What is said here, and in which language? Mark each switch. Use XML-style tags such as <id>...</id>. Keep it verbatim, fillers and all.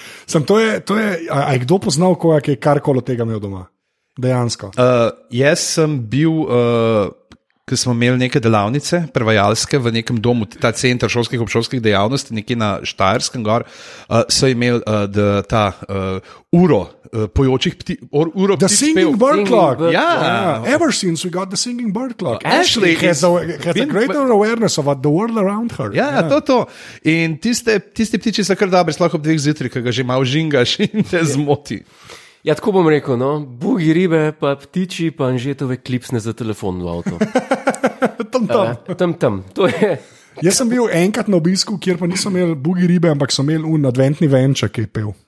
<sl>Sam to je, to je a, a je kdo poznal, koja, ki je karkoli tega imel doma? Dejansko. Uh, jaz sem bil... Uh, ko smo imeli neke delavnice, prevajalske v nekem domu, ta center šolskih obšolskih dejavnosti, nekje na Štajerskem gor, uh, so imeli uh, da, ta uh, uro uh, pojočih pti, or, uro</sl> <en>The</en> <sl>ptic</sl> <en>singing Bird clock. Yeah. Yeah. Ever since we got the singing bird clock. Ashley has, a, has a greater awareness about the world around her.</en> <sl>Ja, yeah. to, to. In tiste, tiste ptiči so kar dobri, slahko ob dveh zjutraj, ki ga že malo žingaš in te zmoti.</sl> <en>Yeah.</en> <sl>Ja, tako bom rekel, no, bugi ribe, pa ptiči, pa Anžetove klipsne za telefon v avto. tam, tam. Uh, tam, tam. To je. Jaz sem bil enkrat na obisku, kjer pa nisem imel bugi ribe, ampak sem imel un adventni venček, ki je pel.</sl>